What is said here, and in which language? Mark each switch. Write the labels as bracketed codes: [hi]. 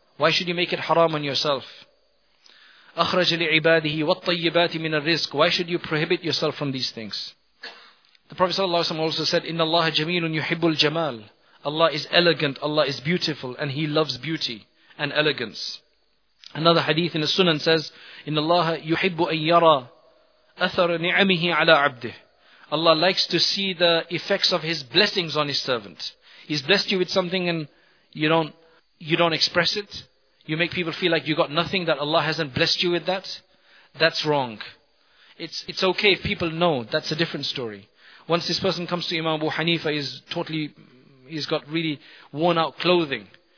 [en] Why should you make it haram on yourself? [ar] أَخْرَجَ لِعِبَادِهِ وَالطَّيِّبَاتِ مِنَ الرِّزْقِ. [en] Why should you prohibit yourself from these things? The Prophet sallallahu alaihi wasallam also said, [ar] إِنَّ اللَّهَ جَمِيلٌ يُحِبُّ الْجَمَالِ. [en] Allah is elegant, Allah is beautiful, and He loves beauty and elegance. Another hadith in the Sunan says, [ar] إِنَّ اللَّهَ يُحِبُّ أَن يَرَى أَثَرَ نِعَمِهِ عَلَىٰ عَبْدِهِ. [en] Allah likes to see the effects of His blessings on His servant. He's blessed you with something and you don't express it. You make people feel like you got nothing, that Allah hasn't blessed you with that. That's wrong. It's okay if people know. That's a different story. Once this person comes to Imam Abu Hanifa, he's got really worn out clothing.